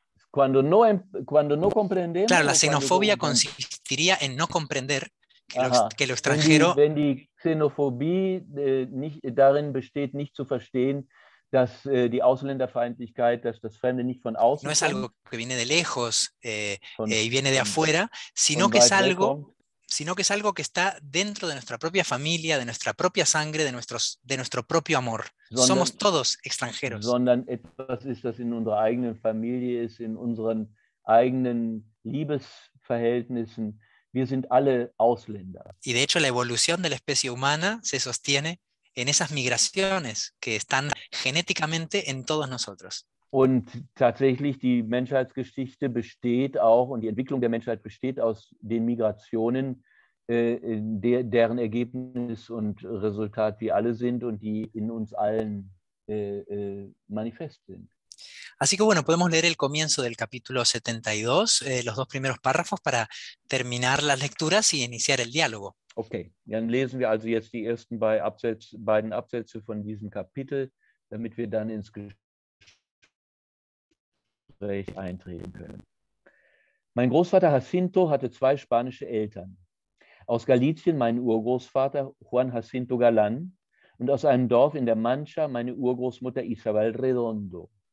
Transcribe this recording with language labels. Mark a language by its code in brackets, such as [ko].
[es] Cuando no comprendemos. Claro, la xenofobia consistiría en no comprender que lo extranjero. [de] Wenn die Xenophobie darin besteht, nicht zu verstehen, dass die Ausländerfeindlichkeit, dass das Fremde nicht von außen kommt. [es] No es algo que viene de lejos y viene de afuera, sino que es algo que está dentro de nuestra propia familia, de nuestra propia sangre, de nuestro propio amor. Somos todos extranjeros. [de] Sondern etwas ist, das in unserer eigenen Familie ist, in unseren eigenen Liebesverhältnissen. Wir sind alle Ausländer. [es] Y de hecho la evolución de la especie humana se sostiene en esas migraciones que están genéticamente en todos nosotros. [de] Und tatsächlich die Menschheitsgeschichte besteht auch und die Entwicklung der Menschheit besteht aus den Migrationen, deren Ergebnis und Resultat wir alle sind und die in uns allen manifest sind. [es] Así que bueno, podemos leer el comienzo del capítulo 72, los dos primeros párrafos para terminar las lecturas y iniciar el diálogo. [de] Okay, dann lesen wir also jetzt die ersten beiden Absätze von diesem Kapitel, damit wir dann ins Gespräch eintreten können. Mein Großvater Jacinto hatte zwei spanische Eltern. Aus Galicien mein Urgroßvater Juan Jacinto Galán und aus einem Dorf in der Mancha meine Urgroßmutter Isabel Redondo.